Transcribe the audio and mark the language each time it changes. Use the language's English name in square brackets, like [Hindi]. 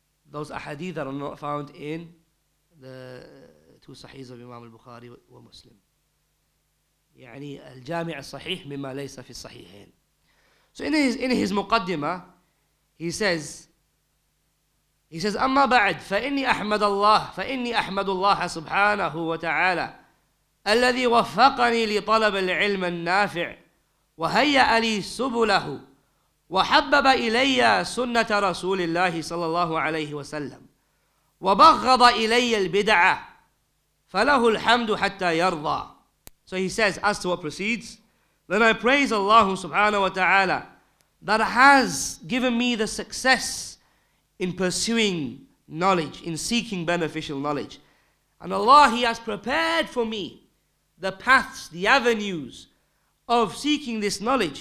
[English] Those ahadith that are not found in the two sahihs of Imam al-Bukhari wa Muslim. [Arabic] يعني الجامع الصحيح مما ليس في الصحيحين. [English] So in his muqaddimah, he says, He says, [Arabic] أما بعد فإني أحمد الله فإني أحمد الله سبحانه وتعالى الذي وفقني لطلب العلم النافع وهيأ لي سبله وحبب إلي سنة رسول الله صلى الله عليه وسلم وبغض إلي البدعة فله الحمد حتى يرضى. [English] So he says, as to what precedes, then I praise Allah subhanahu wa ta'ala that has given me the success in pursuing knowledge, in seeking beneficial knowledge. And Allah, He has prepared for me the paths, the avenues of seeking this knowledge.